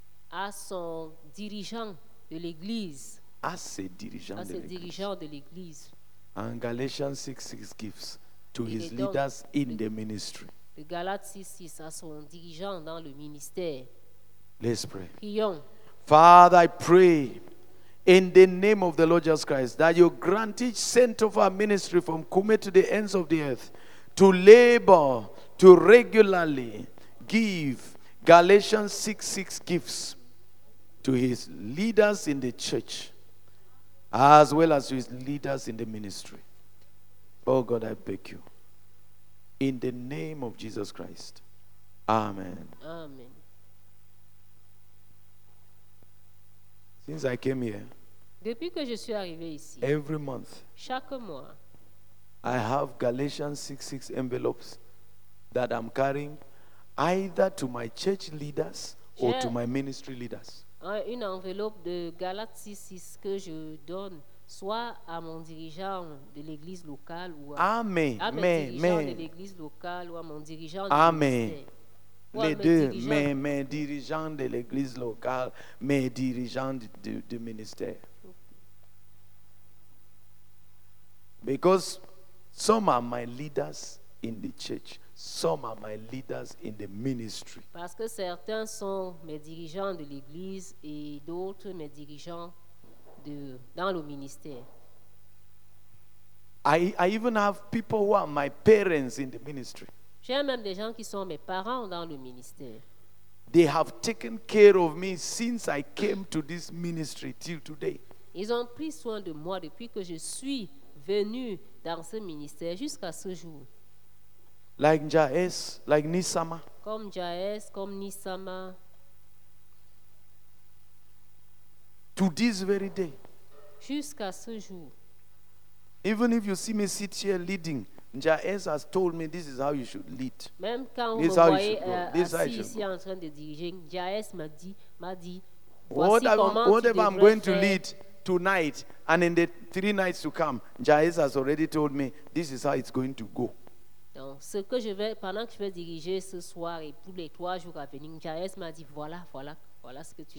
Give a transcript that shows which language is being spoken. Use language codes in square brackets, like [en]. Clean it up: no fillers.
[fr] À son dirigeant de l'église. À ses dirigeants de l'église. [en] And Galatians 6:6 gifts to his leaders in the ministry. [fr] De Galates 6:6 à son dirigeant dans le ministère. [en] Let's pray. [fr] Prions. [en] Father, I pray in the name of the Lord Jesus Christ that you grant each saint of our ministry from Kume to the ends of the earth to labor, to regularly give Galatians 6:6 gifts to his leaders in the church as well as to his leaders in the ministry. Oh God, I beg you. In the name of Jesus Christ. Amen. Amen. Since I came here, [fr] depuis que je suis arrivé ici, [en] every month, [fr] chaque mois, [en] I have Galatians 6:6 envelopes that I'm carrying either to my church leaders or to my ministry leaders. [fr] Une enveloppe de Galates 6:6 que je donne soit à mon dirigeant de l'église locale ou à mon dirigeant de l'église locale ou à mon dirigeant [en] Amen. [fr] Les deux, mes dirigeants de l'église locale, mes dirigeants du ministère. [en] Because some are my leaders in the church, some are my leaders in the ministry. [fr] Parce que certains sont mes dirigeants de l'église et d'autres mes dirigeants dans le ministère. [en] I even have people who are my parents in the ministry. [fr] J'ai même des gens qui sont mes parents dans le ministère. [en] They have taken care of me since I came to this ministry till today. [fr] Ils ont pris soin de moi depuis que je suis venu dans ce ministère jusqu'à ce jour. [en] Like Jaes, like Nisama. [fr] Comme Jaes, comme Nisama. [en] To this very day. [fr] Jusqu'à ce jour. [en] Even if you see me sit here leading, Jaes has told me this is how you should lead. [fr] Même quand this vous me voyez ici en train de diriger, Jaes m'a dit [en] whatever I'm going to lead tonight and in the 3 nights to come, Jaes has already told me this is how it's going to go. [fr] Donc, ce que je vais, pendant que je vais diriger ce soir et pour les 3 jours à venir, Jaes m'a dit voilà ce que tu